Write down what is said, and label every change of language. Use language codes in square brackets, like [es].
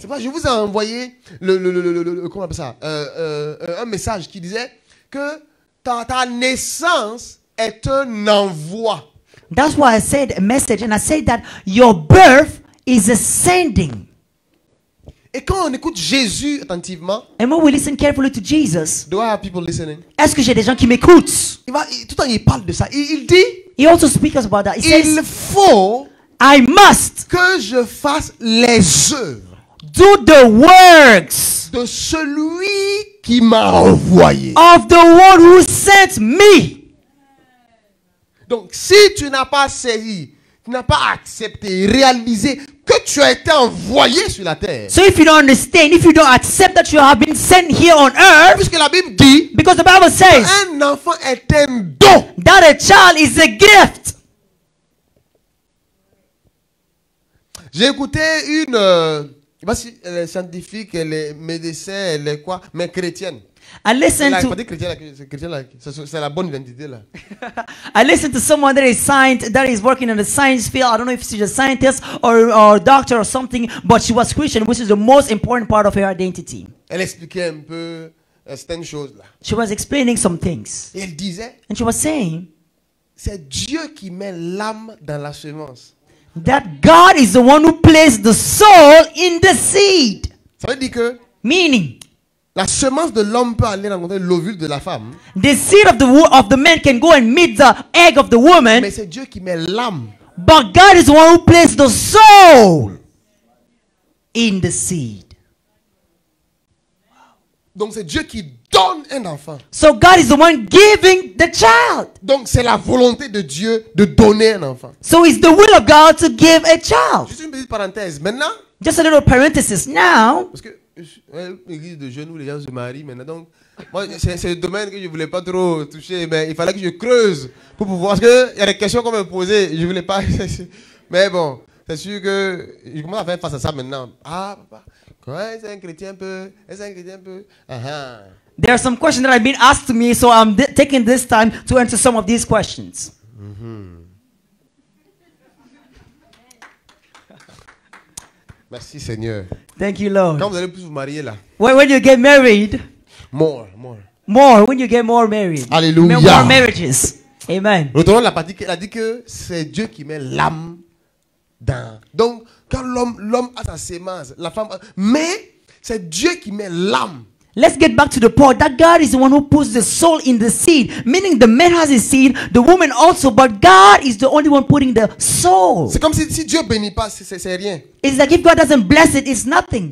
[fr] C'est pas, je vous ai envoyé un message qui disait que ta naissance est un envoi. [en] That's why I said a message and I said that your birth is a sending. [fr] Et quand on écoute Jésus attentivement, [en] and when we listen carefully to Jesus, do I have people listening? [fr] Est-ce que j'ai des gens qui m'écoutent? Tout le temps il parle de ça. Il dit. [en] He also speaks about that. He says, [fr] il faut [en] I must [fr] que je fasse les œuvres. [en] Do the works. [fr] de celui qui m'a envoyé. [en] Of the one who sent me. [fr] Donc, si tu n'as pas saisi, tu n'as pas accepté, réalisé que tu as été envoyé sur la terre. [en] So if you don't understand, if you don't accept that you have been sent here on earth, [fr] puisque la Bible dit, [en] because the Bible says, [fr] un enfant est un don. [en] That a child is a gift. [fr] J'ai écouté une, elle est scientifique, elle est médecin, elle est quoi, mais chrétienne. [en] I listen to. [fr] Pas dit chrétien, c'est la bonne identité là. [en] I listen to someone that is science, that is working in the science field. I don't know if she's a scientist or doctor or something, but she was Christian, which is the most important part of her identity. [fr] Elle expliquait un peu certaines choses là. [en] She was explaining some things. [fr] Et elle disait. [en] And she was saying. [fr] C'est Dieu qui met l'âme dans la semence. [en] That God is the one who placed the soul in the seed. [fr] Ça veut dire que. [en] Meaning. [fr] La semence de l'homme peut aller rencontrer l'ovule de la femme. [en] The seed of the man can go and meet the egg of the woman. [fr] Mais c'est Dieu qui met l'âme. [en] But God is the one who placed the soul in the seed. [fr] Donc c'est Dieu qui donne un enfant. [en] So God is the one giving the child. [fr] Donc c'est la volonté de Dieu de donner un enfant. [en] So it's the will of God to give a child. [fr] Juste une petite parenthèse. Maintenant. [en] Just a little parenthesis now. [fr] Parce que l'église de jeunes où les gens se marient maintenant. Donc, moi, c'est un domaine que je ne voulais pas trop toucher, mais il fallait que je creuse pour pouvoir. Parce qu'il y a des questions qu'on me posait, je ne voulais pas. Mais bon, c'est sûr que je commence à faire face à ça maintenant. Ah, papa, quoi, c'est un chrétien un peu. C'est un chrétien un peu. [en] There are some questions that have been asked to me, so I'm taking this time to answer some of these questions. [fr] Merci Seigneur. [en] Thank you Lord. [fr] Quand vous allez plus vous marier là. [en] When you get married. More. When you get more married. [fr] Alléluia. [en] More marriages. Amen. [fr] Retournons à la partie qu'elle a dit que c'est Dieu qui met l'âme dans. Donc quand l'homme a sa semence, la femme, mais c'est Dieu qui met l'âme. [en] Let's get back to the point that God is the one who puts the soul in the seed, meaning the man has a seed, the woman also, but God is the only one putting the soul. [fr] C'est comme si Dieu bénit pas, c'est rien. [en] It's like if God doesn't bless it, it's nothing.